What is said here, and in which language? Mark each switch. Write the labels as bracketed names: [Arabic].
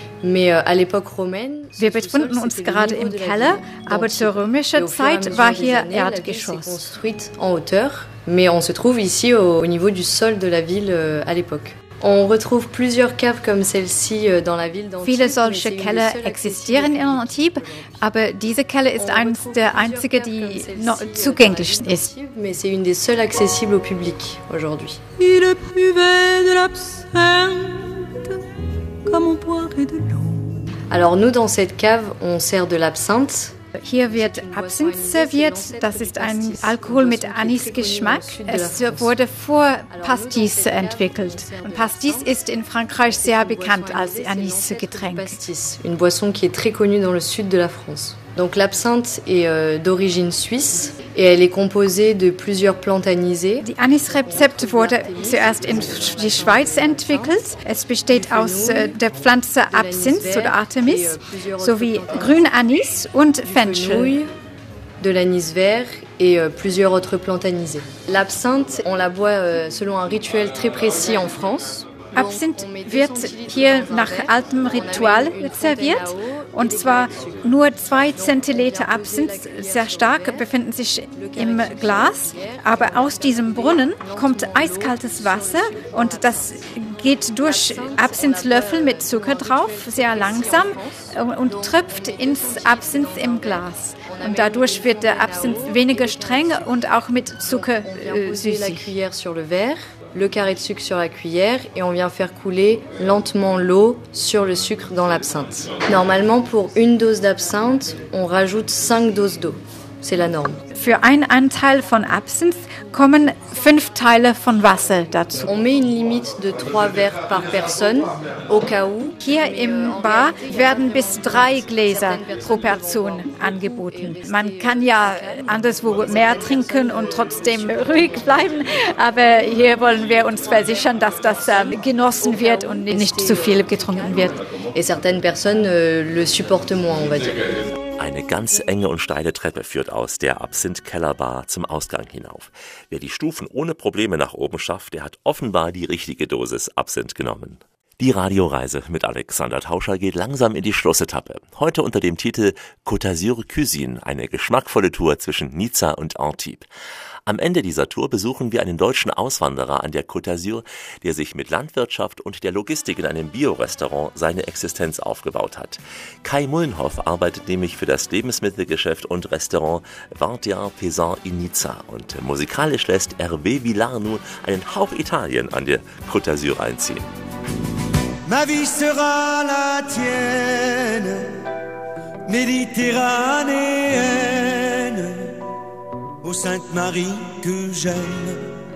[German] Wir befinden uns gerade im Keller, aber zur römischen Zeit war hier Erdgeschoss. [French] Mais on se trouve ici au niveau du sol de la ville à l'époque. On retrouve plusieurs caves comme celle-ci dans la ville d'Antibes. [German] Viele solche Keller existieren in Antibes, aber diese Kelle ist eines der einzige, die noch zugänglich ist. [French] Mais c'est une des seules accessibles au public aujourd'hui. Il buvait de l'absinthe comme on boirait de l'eau. Alors nous dans cette cave, on sert de l'absinthe. [German] Hier wird Absinthe serviert. Das ist ein Alkohol mit Anisgeschmack. Es wurde vor Pastis entwickelt. Und Pastis ist in Frankreich sehr bekannt als Anisgetränk. [French] Pastis, une boisson qui est très connue dans le sud de la France. Donc l'absinthe est d'origine suisse et elle est composée de plusieurs plantes anisées. [German] Die Anisrezepte wurde zuerst in die Schweiz entwickelt. Es besteht aus der Pflanze Absinthe oder Artemis sowie Grünanis und Fenchel. [French] De l'anis vert et plusieurs autres plantes anisées. L'absinthe, on la boit selon un rituel très précis en France. [German] Absinthe wird hier nach altem Ritual serviert. Und zwar nur 2 Zentiliter Absinthe, sehr stark, befinden sich im Glas. Aber aus diesem Brunnen kommt eiskaltes Wasser und das geht durch Absinthlöffel mit Zucker drauf, sehr langsam, und tröpft ins Absinthe im Glas. Und dadurch wird der Absinthe weniger streng und auch mit Zucker süßig. [French] Le carré de sucre sur la cuillère et on vient faire couler lentement l'eau sur le sucre dans l'absinthe. Normalement, pour une dose d'absinthe, on rajoute 5 doses d'eau. C'est la norme. [German] Für einen Anteil von Absinthe kommen 5 Teile von Wasser dazu. [French] On met une limite de 3 verres par personne, au cas où. [German] Hier im Bar werden bis 3 Gläser pro Person angeboten. Man kann ja anderswo mehr trinken und trotzdem ruhig bleiben, aber hier wollen wir uns versichern, dass das genossen wird und nicht zu viel getrunken wird. [French] Et certaines personnes le supportent moins, on va dire. [German] Eine ganz enge und steile Treppe führt aus der Absinthe-Kellerbar zum Ausgang hinauf. Wer die Stufen ohne Probleme nach oben schafft, der hat offenbar die richtige Dosis Absinthe genommen. Die Radioreise mit Alexander Tauscher geht langsam in die Schlussetappe. Heute unter dem Titel Côte d'Azur Cuisine, eine geschmackvolle Tour zwischen Nizza und Antibes. Am Ende dieser Tour besuchen wir einen deutschen Auswanderer an der Côte d'Azur, der sich mit Landwirtschaft und der Logistik in einem Bio-Restaurant seine Existenz aufgebaut hat. Kai Mullenhoff arbeitet nämlich für das Lebensmittelgeschäft und Restaurant Vendéen Paysan in Nizza und musikalisch lässt Hervé Villard nun einen Hauch Italien an der Côte d'Azur einziehen. [French] Ma vie sera la tienne, méditerranéenne, ô Sainte-Marie que j'aime.